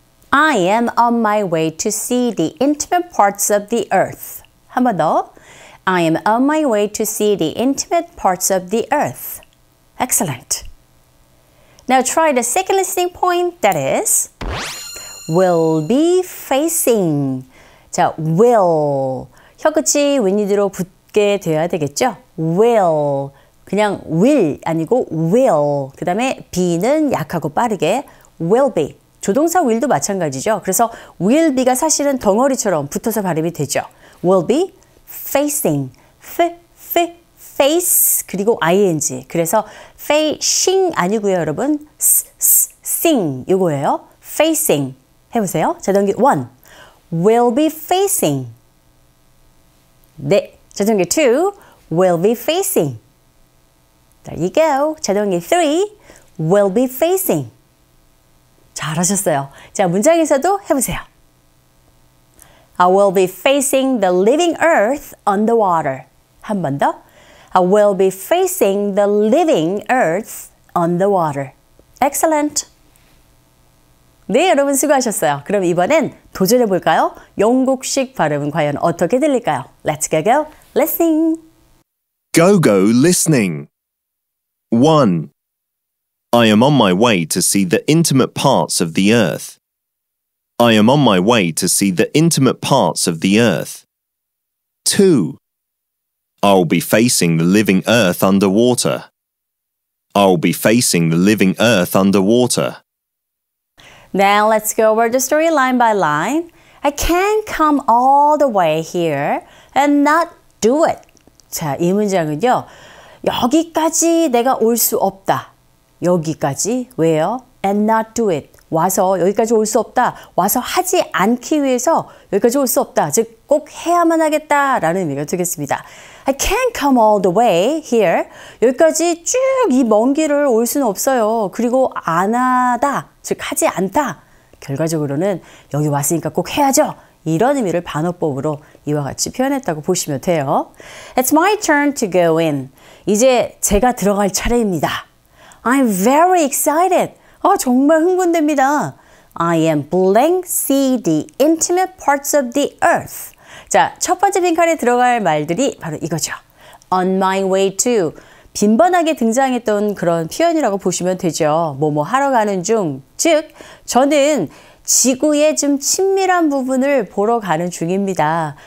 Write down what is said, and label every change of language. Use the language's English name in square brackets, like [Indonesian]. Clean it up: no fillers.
[English] I am on my way to see the intimate parts of the earth. [Korean] 한 번 더. [English] I am on my way to see the intimate parts of the earth. Excellent. Now try the second listening point, that is, will be facing. [Korean] 자, will. 혀끝이 윗니드로 붙게 되어야 되겠죠? [English] Will. [Korean] 그냥 [English] will [Korean] 아니고 [English] will. [Korean] 그 다음에 be는 약하고 빠르게 will be. 조동사 will도 마찬가지죠. 그래서 will be가 사실은 덩어리처럼 붙어서 발음이 되죠. [English] will be facing. face [Korean] 그리고 [English] ing. [Korean] 그래서 facing 아니고요, 여러분. sing 이거예요. [English] facing [Korean] 해보세요. 자동기 1. [English] will be facing. [Korean] 네. 자동기 2. [English] will be facing. There you go. [Korean] 자동기 3. [English] will be facing. [Korean] 잘하셨어요. 자, 문장에서도 해보세요. [English] I will be facing the living earth underwater. [Korean] 한 번 더. [English] I will be facing the living earth underwater. Excellent. [Korean] 네, 여러분 수고하셨어요. 그럼 이번엔 도전해볼까요? 영국식 발음은 과연 어떻게 들릴까요? [English] Let's go, go, listening. Go, go, listening. 1. I am on my way to see the intimate parts of the earth. I am on my way to see the intimate parts of the earth. 2. I'll be facing the living earth underwater. I'll be facing the living earth underwater. Now let's go over the story line by line. I can't come all the way here and not do it. [Korean] 자, 이 문장은요. 여기까지 내가 올 수 없다. 여기까지 왜요? [English] And not do it. [Korean] 와서 여기까지 올 수 없다. 와서 하지 않기 위해서 여기까지 올 수 없다. 즉 꼭 해야만 하겠다라는 의미가 되겠습니다. [English] I can't come all the way here. [Korean] 여기까지 쭉 이 먼 길을 올 수는 없어요. 그리고 안 하다. 즉 하지 않다. 결과적으로는 여기 왔으니까 꼭 해야죠. 이런 의미를 반어법으로 이와 같이 표현했다고 보시면 돼요. [English] It's my turn to go in. [Korean] 이제 제가 들어갈 차례입니다. [English] I'm very excited. [Korean] 아, 정말 흥분됩니다. [English] I am blank see the intimate parts of the earth. [Korean] 자, 첫 번째 빈칸에 들어갈 말들이 바로 이거죠. [English] On my way to. [Korean] 빈번하게 등장했던 그런 표현이라고 보시면 되죠. 뭐뭐 하러 가는 중. 즉, 저는 지구의 좀 친밀한 부분을 보러 가는 중입니다.